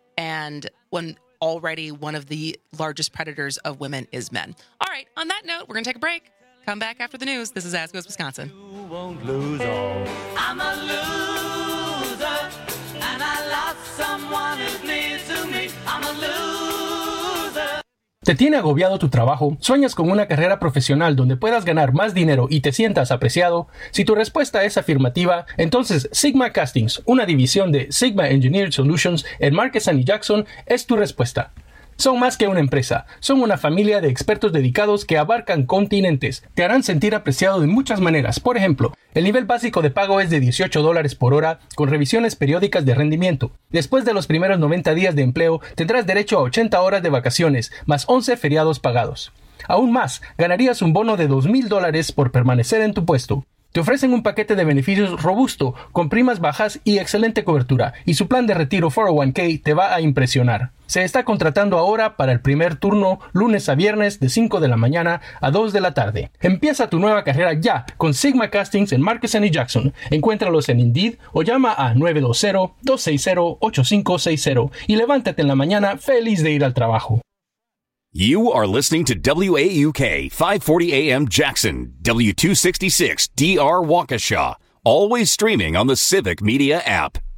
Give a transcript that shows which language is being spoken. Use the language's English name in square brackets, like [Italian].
[English] And when already one of the largest predators of women is men. All right. On that note, we're going to take a break. Come back after the news. This is As Goes Wisconsin. You won't lose all. I'm a loser, and I lost someone who's near to me. I'm a loser. [Spanish] ¿Te tiene agobiado tu trabajo? ¿Sueñas con una carrera profesional donde puedas ganar más dinero y te sientas apreciado? Si tu respuesta es afirmativa, entonces Sigma Castings, una división de Sigma Engineered Solutions en Marquesan y Jackson, es tu respuesta. son más que una empresa, son una familia de expertos dedicados que abarcan continentes. Te harán sentir apreciado de muchas maneras. Por ejemplo, el nivel básico de pago es de $18 por hora con revisiones periódicas de rendimiento. Después de los primeros 90 días de empleo, tendrás derecho a 80 horas de vacaciones más 11 feriados pagados. Aún más, ganarías un bono de $2,000 por permanecer en tu puesto. Te ofrecen un paquete de beneficios robusto, con primas bajas y excelente cobertura, y su plan de retiro 401k te va a impresionar. Se está contratando ahora para el primer turno, lunes a viernes, de 5 de la mañana a 2 de la tarde. Empieza tu nueva carrera ya con Sigma Castings en Marquesan y Jackson. Encuéntralos en Indeed o llama a 920-260-8560 y levántate en la mañana feliz de ir al trabajo. [English] You are listening to WAUK 540 AM Jackson, W266 DR Waukesha, always streaming on the Civic Media app.